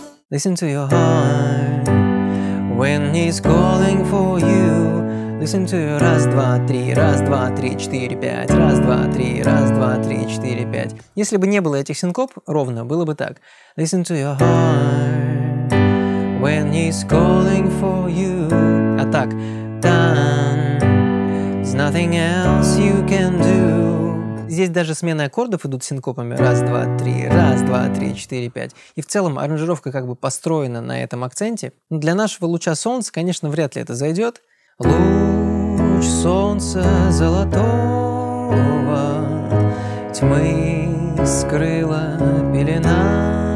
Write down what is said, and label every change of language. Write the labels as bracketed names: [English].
[English] Listen to your heart when he's calling for you. Listen to you. [Russian] Раз, два, три, раз, два, три, четыре, пять. Раз, два, три, раз, два, три, четыре, пять. Если бы не было этих синкоп, ровно было бы так. [English] Listen to your heart when he's calling for you. [Russian] А так. Done. [English] There's nothing else you can do. [Russian] Здесь даже смены аккордов идут синкопами. Раз, два, три, раз, два, три, четыре, пять. И в целом аранжировка как бы построена на этом акценте. Но для нашего луча солнца, конечно, вряд ли это зайдет. Луч солнца золотого тьмы скрыла пелена.